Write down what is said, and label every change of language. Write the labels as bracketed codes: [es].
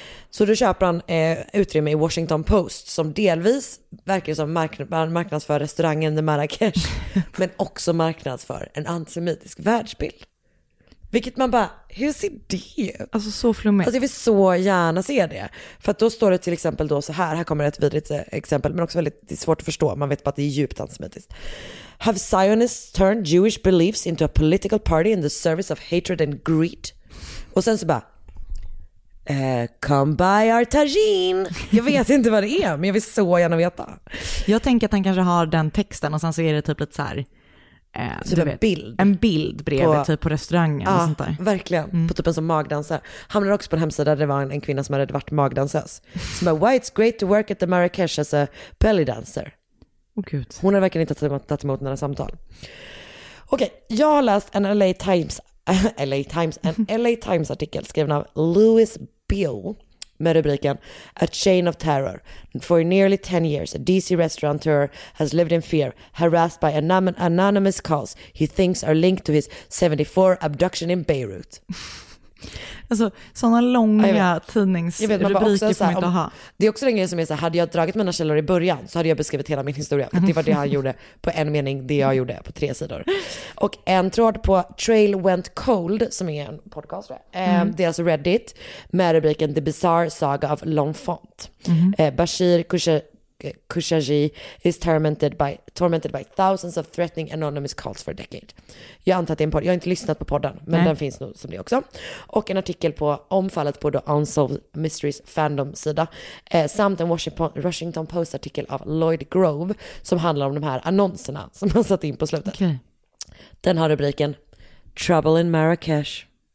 [sv] Så då köper han utrymme i Washington Post, som delvis verkar som marknadsför restaurangen i Marrakesh, men också marknadsför en antisemitisk världsbild. Vilket man bara, hur ser det? Alltså så flummigt. Alltså jag vill så gärna se det. För att då står det till exempel då så här. Här kommer ett vidrigt exempel, men också väldigt, det är svårt att förstå. Man vet bara att det är djupt antisemitiskt. [en] Have Zionists turned Jewish beliefs into a political party in the service of hatred and greed? [sv] Och sen så bara, [en] come by our tagine. [sv] Jag vet inte vad det är, men jag vill så gärna veta. Jag tänker att han kanske har den texten och sen så är det typ lite så här. Typ en bild. En bild bredvid på, typ på restaurangen. Ja, och sånt där. Verkligen. Mm. På typ en som magdansar. Hamnade också på en hemsida där det var en kvinna som hade varit magdansös. Som är, [en] why it's great to work at the Marrakesh as a belly dancer. [sv] Oh, gud. Hon har verkligen inte tagit emot några samtal. Okej, jag har läst en LA Times, en LA Times-artikel skriven av Louis Beau med rubriken A Chain of Terror. [en] For nearly 10 years, a DC restaurateur has lived in fear, harassed by anonymous calls he thinks are linked to his 74 abduction in Beirut. [sv] Alltså, sådana långa tidningsrubriker får man inte ha. Det är också en grej som är så här, hade jag dragit mina källor i början så hade jag beskrivit hela min historia. För det var det han gjorde på en mening, det jag gjorde på tre sidor. Och en tråd på Trail Went Cold, som är en podcast, det är alltså Reddit, med rubriken The Bizarre Saga of L'Enfant. [en] Bashir Khashoggi is tormented by thousands of threatening anonymous calls for a decade. [sv] Jag antar att det är en podd. Jag har inte lyssnat på podden, men Nej. Den finns nog som det också. Och en artikel på omfallet på The Unsolved Mysteries fandom-sida. Samt en Washington Post-artikel av Lloyd Grove som handlar om de här annonserna som man satt in på slutet. [en] Okay. [sv] Den har rubriken Trouble in Marrakesh.